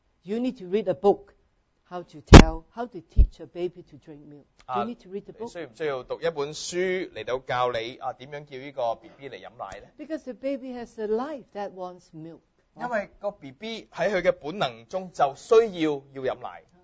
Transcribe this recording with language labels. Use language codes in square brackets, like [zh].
[en] You need to read a book, how to teach a baby to drink milk. You need to read a book. [zh] 需不需要读一本书来教你怎样叫这个BB来喝奶呢? [en] Because the baby has a life that wants milk. [zh] 因为BB在他的本能中就需要喝奶。